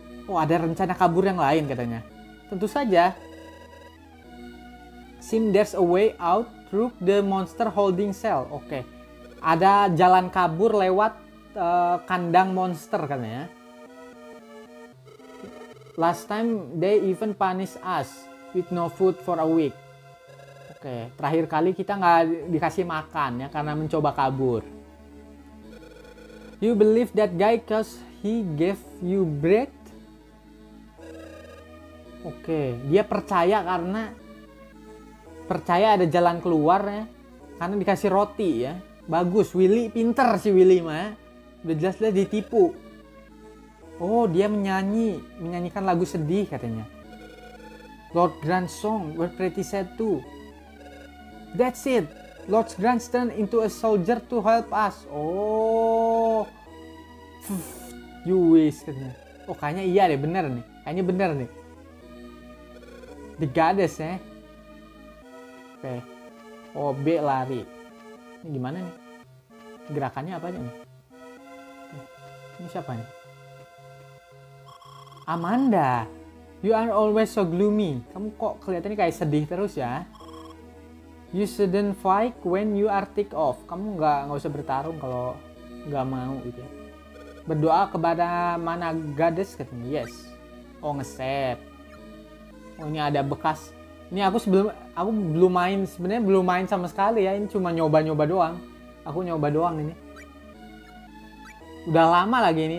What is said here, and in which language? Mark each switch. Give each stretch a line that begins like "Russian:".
Indonesian: Oh ada rencana kabur yang lain katanya. Tentu saja.
English: Seem there's a way out through the monster holding cell. Oke. Okay.
Indonesian: Ada jalan kabur lewat kandang monster katanya.
English: Last time they even punish us with no food for a week. Oke, okay.
Indonesian: Terakhir kali kita enggak dikasih makan ya karena mencoba kabur.
English: You believe that guy cause he gave you bread? Oke, okay.
Indonesian: Dia percaya karena percaya ada jalan keluar ya karena dikasih roti ya. Bagus, Willy pinter si Willy mah. Udah jelas-jelas ditipu. Oh, dia menyanyikan lagu sedih katanya.
English: Lord Grant's song, we're pretty sad too. That's it. Lord Grant's turned into a soldier to help us. Oh. You wish katanya.
Indonesian: Oh, kayaknya iya deh, bener nih. Kayaknya bener nih.
English: The goddess
Indonesian: ya. Oke. Okay. Oh, B lari. Ini gimana nih? Gerakannya apa aja nih? Ini siapa nih?
English: Amanda, you are always so gloomy.
Indonesian: Kamu kok kelihatannya kayak sedih terus ya?
English: You shouldn't fight when you are ticked off.
Indonesian: Kamu nggak usah bertarung kalau nggak mau gitu. Berdoa kepada mana goddess katanya? Yes. Oh ngesep. Oh ini ada bekas. Ini aku belum main sama sekali ya. Ini cuma nyoba-nyoba doang. Aku nyoba doang ini. Udah lama lagi ini.